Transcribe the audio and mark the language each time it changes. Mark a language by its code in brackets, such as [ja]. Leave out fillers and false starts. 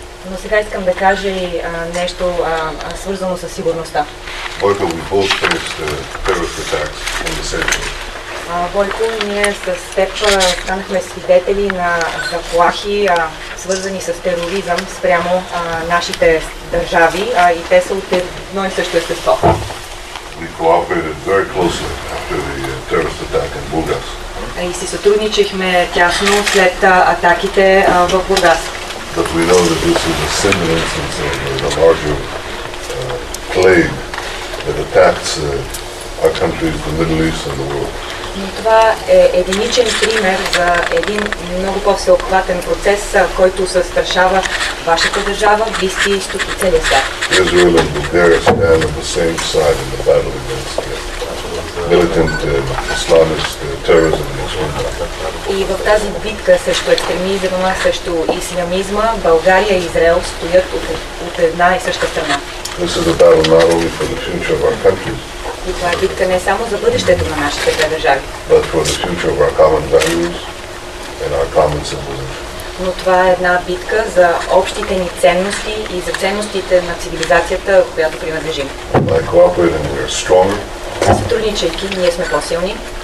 [bg] Но сега искам да кажа и нещо свързано със сигурността. [en] Бойко, we both faced terrorist attacks in the same way. [bg] Бойко, ние с теб станахме свидетели на заплахи, свързани с тероризъм спрямо нашите държави и те са от едно и също естество. [en] We cooperated very closely after the terrorist attack in Burgas. [bg] И си сътрудничихме тясно след атаките в Бургас. [en] But we know that this is a similar instance of a larger plague that attacks our countries, the Middle East and the world. [bg] Но това е единичен пример за един много по-всеобхватен процес, който застрашава вашата държава, Близкия изток и целия свят. [en] Israel and Bulgaria stand on the same side in the battle against militant Islamist terrorism. [bg] И в тази битка срещу екстремизма, срещу ислямизма, България и Израел стоят от една и съща страна. [en] This is a battle not only for the future of our countries. [bg] И това е битка не само за бъдещето на нашите две държави, [en] but for the future of our common values and our common civilization. [bg] но това е една битка за общите ни ценности и за ценностите на цивилизацията, която принадлежим. [en] By cooperating, we are stronger. [bg] Сътрудничайки, ние сме по-силни.